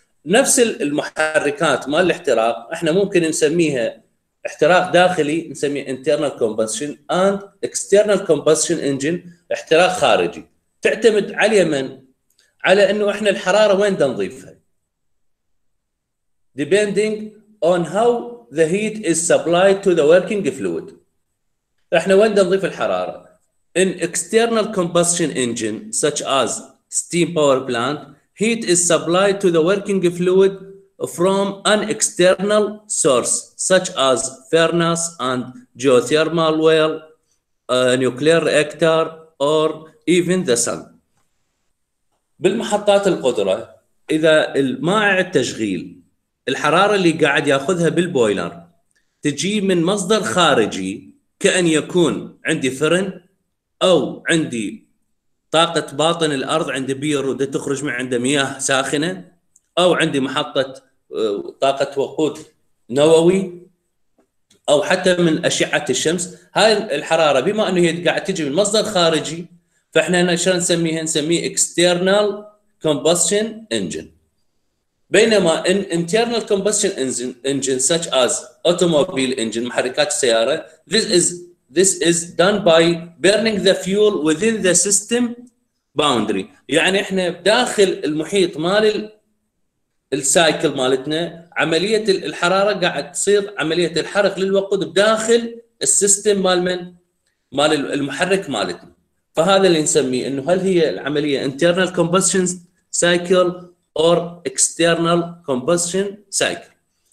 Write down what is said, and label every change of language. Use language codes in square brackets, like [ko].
[ar] نفس المحركات مال الاحتراق احنا ممكن نسميها احتراق داخلي نسميه [en] internal combustion and external combustion engine [ar] احتراق خارجي. تعتمد على من؟ على انه احنا الحرارة وين نضيفها. [en] depending on how the heat is supplied to the working fluid. [ar] احنا وين نضيف الحرارة؟ [en] in external combustion engine such as steam power plant, heat is supplied to the working fluid from an external source such as furnace and geothermal well, nuclear reactor or even the sun. [ar] بالمحطات القدرة إذا المائع التشغيل الحرارة اللي قاعد يأخذها بالبويلر تجي من مصدر خارجي كأن يكون عندي فرن أو عندي طاقة باطن الأرض عندي بيرودة تخرج من عندي مياه ساخنة أو عندي محطة طاقة وقود نووي أو حتى من أشعة الشمس. هاي الحرارة بما أنه هي قاعد تجي من مصدر خارجي فإحنا شو نسميها؟ نسميه external combustion engine. بينما [en] in internal combustion engine such as automobile engine [ar] محركات السيارة [en] this is done by burning the fuel within the system boundary. [ar] يعني إحنا داخل المحيط مال السايكل مالتنا عملية الحرارة قاعد تصير عملية الحرق للوقود بداخل السيستم مال من؟ مال المحرك مالتنا. فهذا اللي نسميه انه هل هي العملية [en] internal combustion cycle or external combustion cycle.